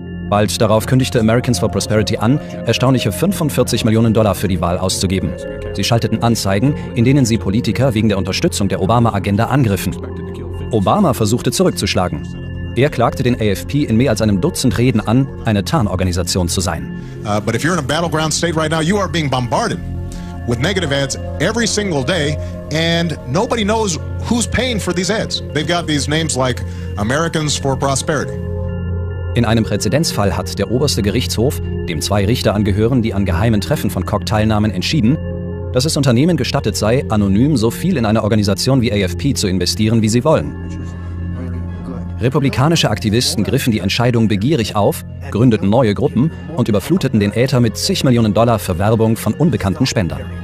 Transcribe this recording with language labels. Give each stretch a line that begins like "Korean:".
German: Bald darauf kündigte Americans for Prosperity an, erstaunliche 45 Millionen Dollar für die Wahl auszugeben. Sie schalteten Anzeigen, in denen sie Politiker wegen der Unterstützung der Obama-Agenda angriffen. Obama versuchte zurückzuschlagen. Er klagte den AFP in mehr als einem Dutzend Reden an, eine Tarnorganisation zu sein.
English: But if you're in a battleground state right now, you are being bombarded with negative ads every single day and nobody knows who's paying for these ads. They've got these names like Americans for Prosperity.
German: In einem Präzedenzfall hat der oberste Gerichtshof, dem 2 Richter angehören, die an geheimen Treffen von Koch teilnahmen, entschieden, dass es Unternehmen gestattet sei, anonym so viel in eine Organisation wie AFP zu investieren, wie sie wollen. Republikanische Aktivisten griffen die Entscheidung begierig auf, gründeten neue Gruppen und überfluteten den Äther mit zig Millionen Dollar für Werbung von unbekannten Spendern.